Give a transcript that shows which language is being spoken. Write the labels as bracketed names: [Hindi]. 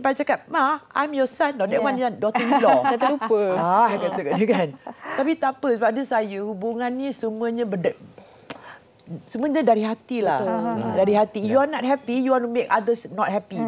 [Malay] Lepas cakap, [English] Ma, I'm your son. Not that one, daughter-in-law. [Malay] Dia terlupa. Kata dia kan. Tapi tak apa, sebab dia saya, hubungan ni semuanya semuanya dari hati lah. Dari hati. [English] You are not happy, you want to make others not happy.